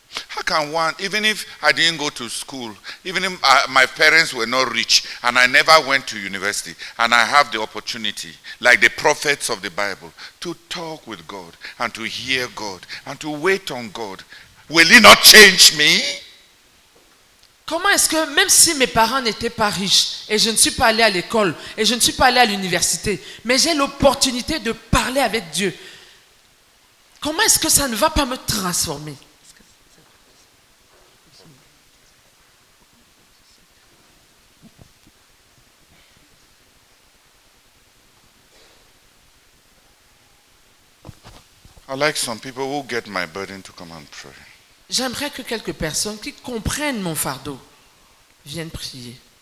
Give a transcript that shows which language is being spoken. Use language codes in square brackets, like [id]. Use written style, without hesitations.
[en] How can one, even if I didn't go to school, even if my parents were not rich, and I never went to university, and I have the opportunity, like the prophets of the Bible, to talk with God, and to hear God, and to wait on God, will He not change me? [fr] Comment est-ce que, même si mes parents n'étaient pas riches, et je ne suis pas allé à l'école, et je ne suis pas allé à l'université, mais j'ai l'opportunité de parler avec Dieu, comment est-ce que ça ne va pas me transformer? [en] I like some people who get my burden to come and pray. [fr] J'aimerais que quelques personnes qui comprennent mon fardeau viennent prier.